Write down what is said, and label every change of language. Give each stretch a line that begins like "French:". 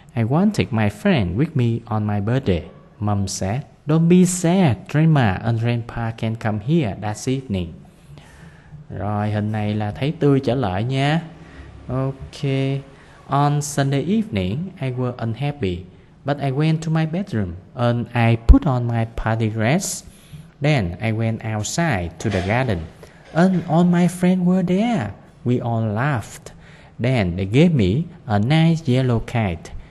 English: I wanted my friend with me on my birthday. Mom said, don't be sad. Grandma and grandpa can come here that evening.
Vietnamese: Rồi, hình này là thấy tươi trở lại nha.
English: Ok. On Sunday evening, I was unhappy, but I went to my bedroom and I put on my party dress. Then I went outside to the garden and all my friends were there. We all laughed. Then they gave me a nice yellow kite.